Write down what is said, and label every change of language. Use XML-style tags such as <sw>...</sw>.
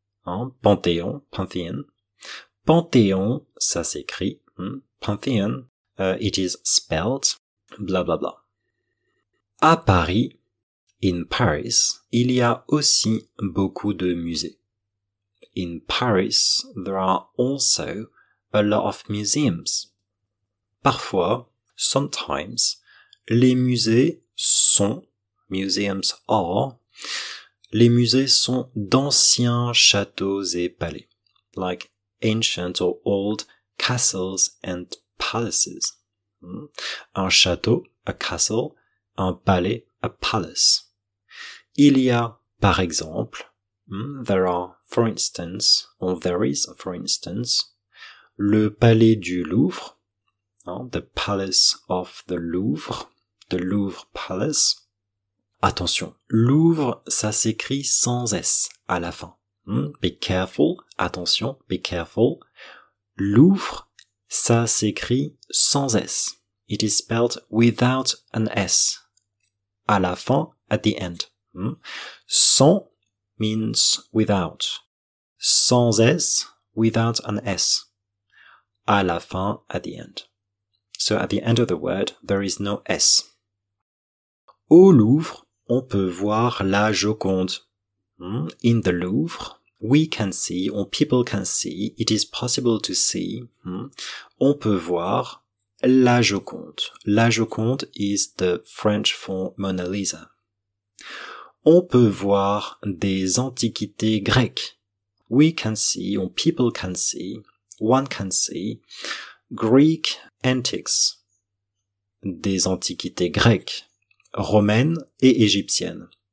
<fr>Panthéon,</fr> <en>Pantheon.</en> <fr>Panthéon, ça s'écrit.</fr> <en>Pantheon, it is spelled. Blah, blah, blah.</en> <fr>À Paris,</fr> <en>in Paris,</en> <fr>il y a aussi beaucoup de musées.</fr> <en>In Paris, there are also a lot of museums.</en> <fr>Parfois,</fr> <en>sometimes,</en> <fr>les musées sont,</fr> <en>museums are,</en> <fr>les musées sont d'anciens châteaux et palais,</fr> <en>like ancient or old castles and palaces.</en> <fr>Un château,</fr> <en>a castle,</en> <fr>un palais,</fr> <en>a palace.</en> <fr>Il y a, par exemple,</fr> <en>there are, for instance, or there is, for instance,</en> <fr>le palais du Louvre,</fr> <en>the Palace of the Louvre, the Louvre Palace.</en> <fr>Attention, Louvre, ça s'écrit sans S à la fin.</fr> <en>Be careful, attention, be careful. Louvre,</en> <fr>ça s'écrit sans S.</fr> <en>It is spelled without an S.</en> <fr>À la fin,</fr> <en>at the end. Sans means without.</en> <fr>Sans S,</fr> <en>without an S.</en> <fr>À la fin,</fr> <en>at the end. So at the end of the word, there is no S.</en> <fr>Au Louvre, on peut voir la Joconde.</fr> <en>In the Louvre, we can see, or people can see, it is possible to see,</en> <fr>on peut voir la Joconde.</fr> <en>La Joconde is the French for Mona Lisa.</en> <fr>On peut voir des antiquités grecques.</fr> <en>We can see, or people can see, one can see, Greek antiques.</en> <fr>Des antiquités grecques, romaines et égyptiennes.</fr>